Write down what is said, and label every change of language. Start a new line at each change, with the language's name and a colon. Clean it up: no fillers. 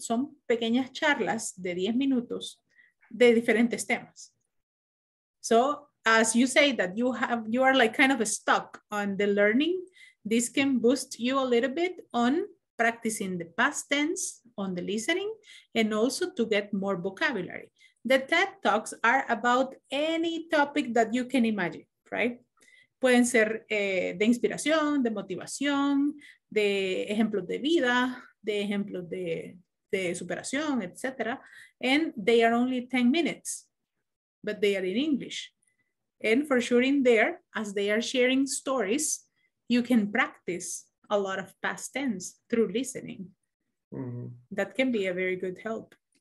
Spanish: Son pequeñas charlas de 10 minutos de diferentes temas.
English: So as you say that you are like kind of stuck on the learning, this can boost you a little bit on practicing the past tense, on the listening, and also to get more vocabulary. The TED Talks are about any topic that you can imagine, right?
Spanish: Pueden ser de inspiración, de motivación, de ejemplos de vida, de ejemplos de superación, etc.
English: And they are only 10 minutes, but they are in English. And for sure in there, as they are sharing stories, you can practice a lot of past tense through listening. Mm-hmm. That can be a very good help.